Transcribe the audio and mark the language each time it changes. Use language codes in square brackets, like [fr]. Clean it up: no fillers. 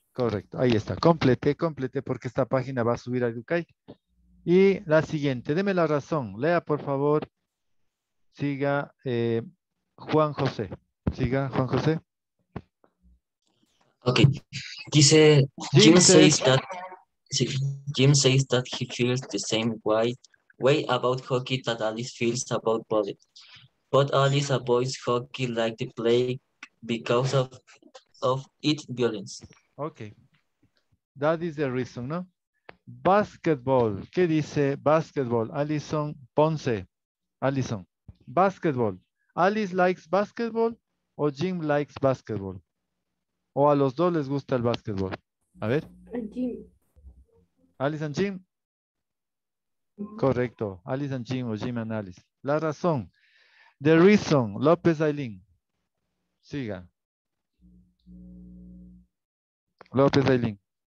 [es] Correcto, ahí está, complete porque esta página va a subir a Educay. Y la siguiente, deme la razón, lea por favor, siga Juan José, siga Juan José. [en] Ok, dice, Jim says that he feels the same way about hockey that Alice feels about ballet. But Alice avoids hockey like the play because of its violence. Okay, that is the reason, ¿no? Basketball, [es] ¿qué dice [en] basketball? Alison Ponce, Alison, basketball. Alice likes basketball o Jim likes basketball? [es] ¿O a los dos les gusta el basketball? A ver. [en] Jim. Alice and Jim. [es] Correcto, Alice and Jim o Jim and Alice. La razón, the reason, López Ailín. Siga. López Ailín.